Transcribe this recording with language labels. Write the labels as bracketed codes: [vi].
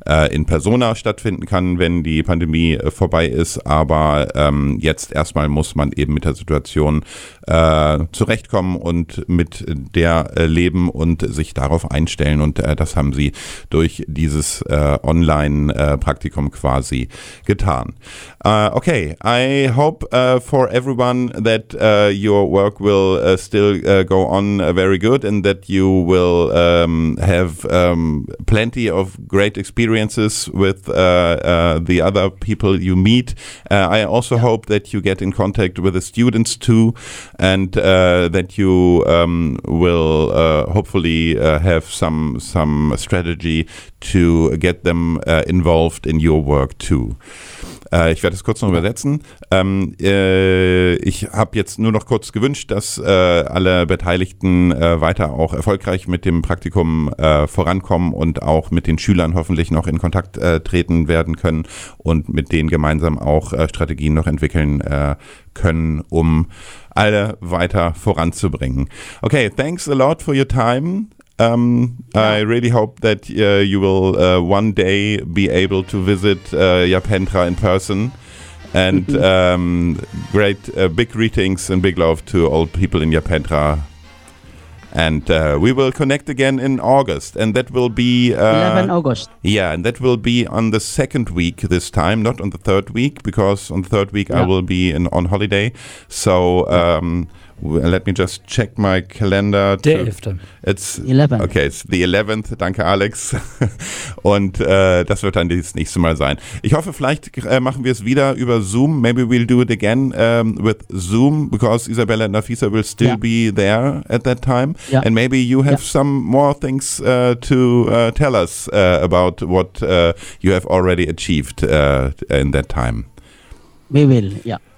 [de] in Persona stattfinden kann, wenn die Pandemie vorbei ist, aber jetzt erstmal muss man eben mit der Situation zurechtkommen und mit der leben und sich darauf einstellen und das haben sie durch dieses Online-Praktikum quasi getan. [en] Okay, I hope for everyone that your work will still go on very good and that you will have plenty of great experiences with the other people you meet. I also hope that you get in contact with the students too and that you will hopefully have some strategy to get them involved in your work too. [de] Ich werde es kurz noch übersetzen. Ich habe jetzt nur noch kurz gewünscht, dass alle Beteiligten weiter auch erfolgreich mit dem Praktikum vorankommen und auch mit den Schülern hoffentlich noch in Kontakt treten werden können und mit denen gemeinsam auch Strategien noch entwickeln können, um alle weiter voranzubringen. [en] Okay, thanks a lot for your time. I really hope that you will one day be able to visit Japentra in person. And great big greetings and big love to all people in Japentra. And we will connect again in August. And that will be... 11 August. Yeah, and that will be on the second week this time, not on the third week, because on the third week I will be on holiday. So... let me just check my calendar. [de] Der 11. [en] It's 11. Okay, it's the 11th. Danke, Alex. [de] Und das wird dann das nächste Mal sein. Ich hoffe, vielleicht machen wir es wieder über Zoom. [en] Maybe we'll do it again with Zoom, because Isabella and Nafisa will still be there at that time. Yeah. And maybe you have some more things to tell us about what you have already achieved in that time. We will, yeah.